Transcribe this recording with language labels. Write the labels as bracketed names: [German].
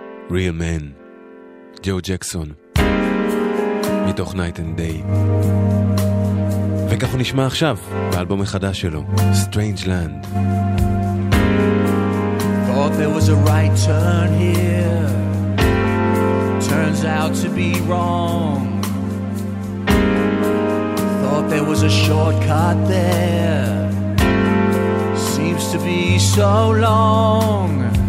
[Hebrew] Real Man, ג'ו ג'קסון, מתוך Night and Day. וכך הוא נשמע עכשיו באלבום החדש שלו, Strange Land. [English] Thought there was a right turn here, turn turns out to be wrong. Thought there was a shortcut there, seems to be so long.